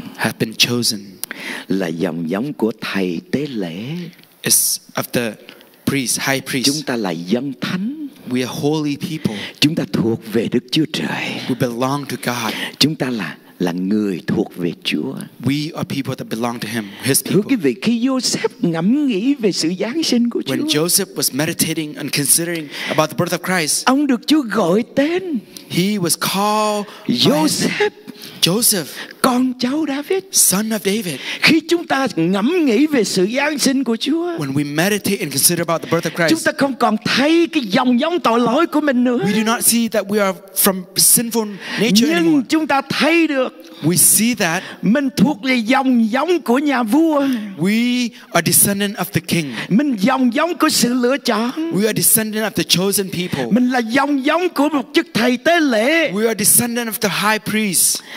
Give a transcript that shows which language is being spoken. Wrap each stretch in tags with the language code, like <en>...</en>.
<en>Have been chosen.</en> <vi>Là dòng giống của thầy tế lễ.</vi> <en>Is of the priest, high priest.</en> <vi>Chúng ta là dân thánh.</vi> <en>We are holy people.</en> <vi>Chúng ta thuộc về Đức Chúa Trời.</vi> <en>We belong to God.</en> <vi>Chúng ta là người thuộc về Chúa.</vi> <en>We are people that belong to him, his people.</en> <vi>Thưa quý vị, khi Joseph ngẫm nghĩ về sự giáng sinh của Chúa,</vi> <en>when Joseph was meditating and considering about the birth of Christ,</en> <vi>ông được Chúa gọi tên.</vi> <en>He was called Joseph. Joseph,</en> <vi>con cháu David,</vi> <en>son of David.</en> <vi>Khi chúng ta ngẫm nghĩ về sự giáng sinh của Chúa,</vi> <en>when we meditate and consider about the birth of Christ,</en> <vi>chúng ta không còn thấy cái dòng giống tội lỗi của mình nữa.</vi> <en>We do not see that we are from sinful nature anymore.</en> <vi>Nhưng chúng ta thấy được,</vi> <en>we see that</en> <vi>mình thuộc về dòng giống của nhà vua.</vi> <en>We are descendant of the king.</en> <vi>Mình dòng giống của sự lựa chọn.</vi> <en>We are descendant of the chosen people.</en> <vi>Mình là dòng giống của một chức thầy tế lễ.</vi> <en>We are descendant of the high priest.</en>